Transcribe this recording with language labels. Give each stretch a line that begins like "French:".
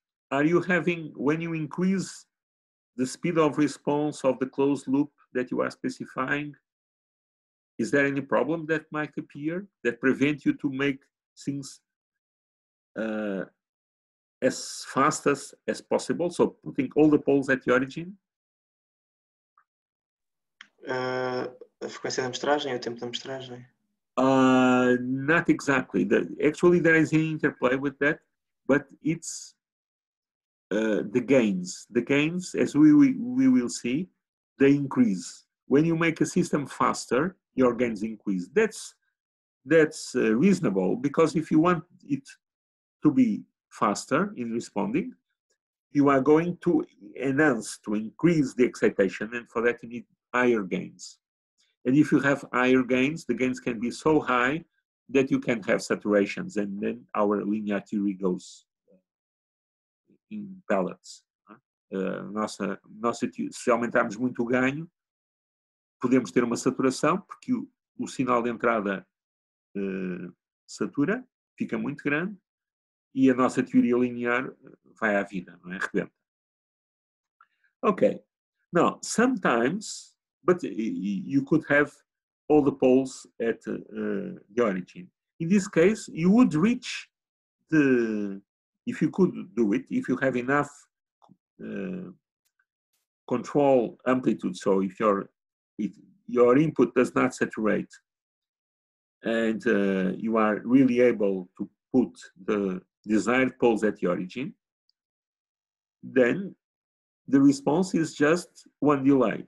English: Are you having, when you increase the speed of response of the closed loop that you are specifying, is there any problem that might appear that prevent you to make things as fast as possible? So putting all the poles at the origin?
Portuguese: A
English: frequency of
Portuguese: amostragem, o tempo de amostragem.
English: Not exactly. Actually, there is an interplay with that, but it's the gains. The gains, as we will see, they increase. When you make a system faster, your gains increase. That's that's reasonable, because if you want it to be faster in responding, you are going to enhance, to increase the excitation, and for that you need higher gains. And if you have higher gains, the gains can be so high that you can have saturations, and then our linear theory goes in pellets.
Portuguese: Se aumentarmos muito o ganho, podemos ter uma saturação, porque o sinal de entrada satura, fica muito grande, e a nossa teoria linear vai à vida, não é? Rebenta. Ok.
English: Now, sometimes, but you could have all the poles at the origin. In this case, you would reach the, if you could do it, if you have enough control amplitude, so if your input does not saturate, and you are really able to put the desired poles at the origin, then the response is just one delay.